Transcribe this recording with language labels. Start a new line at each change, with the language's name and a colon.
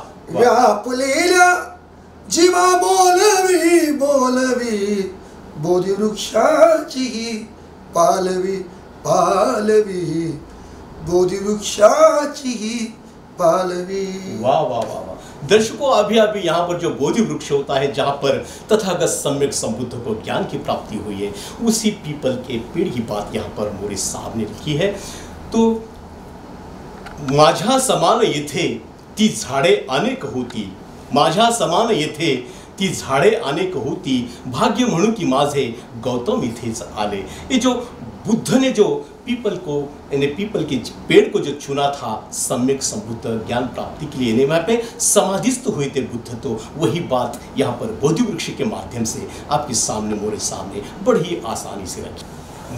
Marathi: व्यापलेला जीवा बोलवी, बोलवी, बोधी वृक्षाची पालवी, पालवी, बोधी वृक्षाची पालवी। वाह वाह वाह वाह।
Hindi: दर्शकों, अभी अभी यहाँ पर जो बोधि वृक्ष होता है, जहाँ पर तथागत सम्यक संबुद्ध को ज्ञान की प्राप्ति हुई है, उसी पीपल के पेड़ की बात यहाँ पर मोरे साहब ने लिखी है।
Marathi: तो माझा समान येथे ती झाड़े अनेक होती, माझा समान येथे ती झाड़े अनेक होती, भाग्य म्हणू की माझे गौतम इथेच आले।
Hindi: ये जो बुद्ध ने जो पीपल को, इन्हें पीपल के पेड़ को जो चुना था सम्यक संबुद्ध ज्ञान प्राप्ति के लिए, इन्हें वहाँ पे समाधिस्थ हुए थे बुद्ध, तो वही बात यहाँ पर बोधि वृक्ष के माध्यम से आपके सामने मोरे सामने बड़ी आसानी से रखी।